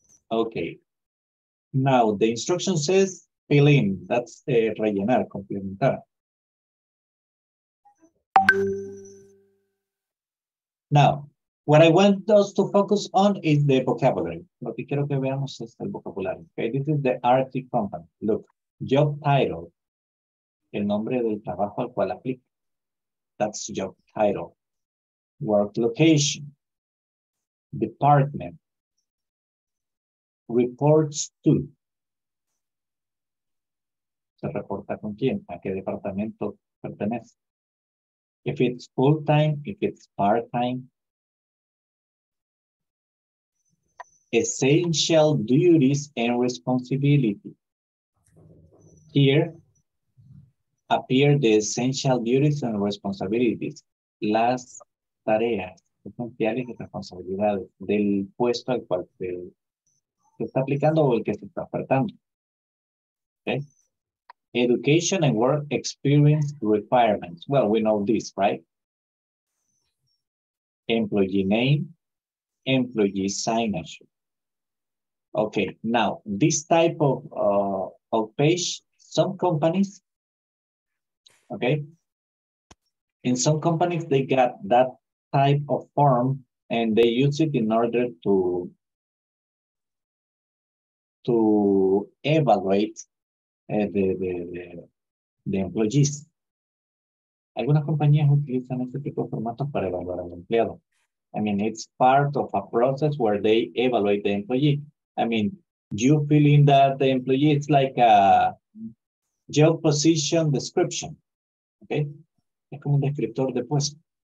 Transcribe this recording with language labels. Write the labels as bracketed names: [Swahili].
[English] Okay, now the instruction says fill in, that's rellenar, complementar. Now, what I want us to focus on is the vocabulary. [Spanish] Lo que quiero que veamos es el vocabulario. [English] Okay, this is the RT company. Look, job title, [Spanish] el nombre del trabajo al cual aplica. [English] That's job title. Work location, department reports to. [Spanish] Se reporta con quién, a qué departamento pertenece. [English] If it's full time, if it's part time. Essential duties and responsibility. Here appear the essential duties and responsibilities. [Spanish] Las tareas esenciales y responsabilidades del puesto al cual se está aplicando o el que se está ofertando. [English] Okay. Education and work experience requirements. Well, we know this, right? Employee name, employee signature. Okay, now this type of page, some companies, okay, in some companies they got that type of form and they use it in order to evaluate the employees. [Spanish] Algunas compañías utilizan este tipo de formatos para evaluar al empleado. [English] I mean, it's part of a process where they evaluate the employee. I mean, you fill in that the employee, it's like a job position description, okay? [Spanish] Es como un descriptor de puesto.